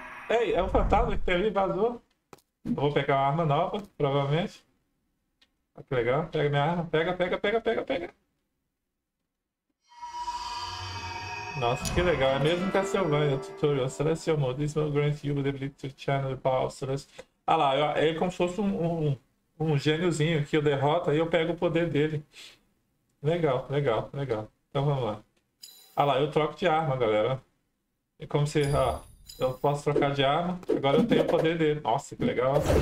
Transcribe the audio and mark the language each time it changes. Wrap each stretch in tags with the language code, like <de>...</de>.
<pt>Ei, é um fantasma que tem ali, vazou. Eu vou pegar uma arma nova, provavelmente. Olha que legal. Pega minha arma. Pega, pega, pega, pega, pega. Nossa, que legal. É mesmo Castlevania tutorial.</pt> <en>Celestial mode. This will grant you the ability to channel the power of Celestial.</en> <pt>Ah lá, ele é como se fosse um gêniozinho que eu derrota e eu pego o poder dele. Legal, legal, legal. Então vamos lá. Ah lá, eu troco de arma, galera. É como se, ó, eu posso trocar de arma. Agora eu tenho o poder dele. Nossa, que legal.</pt>